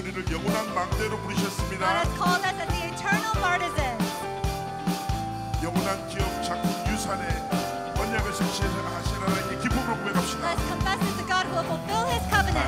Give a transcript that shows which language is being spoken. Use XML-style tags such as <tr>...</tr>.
<ko>영원한 망대로 부르셨습니다.</ko> <en>God has called us as the eternal partisans.</en> <ko>영원한 기업 작품 유산에 언약을 성취해 나가시라는 이 기쁨으로 고백합시다.</ko> <en>Let's confess it to God who will fulfill His covenant.</en>